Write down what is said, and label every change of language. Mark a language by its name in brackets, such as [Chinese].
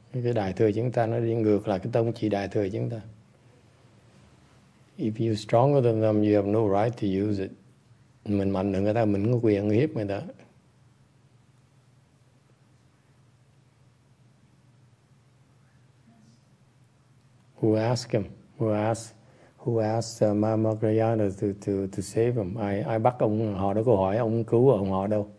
[Vietnamese] Cái đại thừa chúng ta nó đi ngược lại cái tông chỉ đại thừa chúng ta. [English] If you're stronger than them, you have no right to use it. [Vietnamese] Mình mạnh hơn người ta, mình có quyền hiếp người ta. [English] Who asked him? Who asked Mahabhagrayana to save him? [Vietnamese] Ai bắt ông, họ đâu có hỏi ông cứu ông họ đâu.